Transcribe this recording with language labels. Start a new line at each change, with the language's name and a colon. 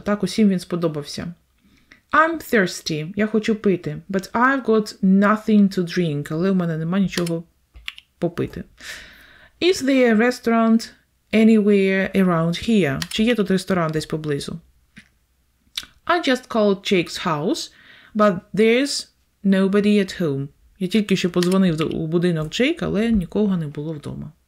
Ukrainian: Так, усім він сподобався.
English: I'm thirsty.
Ukrainian: Я хочу пити.
English: But I've got nothing to drink.
Ukrainian: Але в мене нема нічого попити.
English: Is there a restaurant anywhere around here?
Ukrainian: Чи є тут ресторан десь поблизу?
English: I just called Jake's house, but there's nobody at home.
Ukrainian: Я тільки що подзвонив у будинок Джейка, але нікого не було вдома.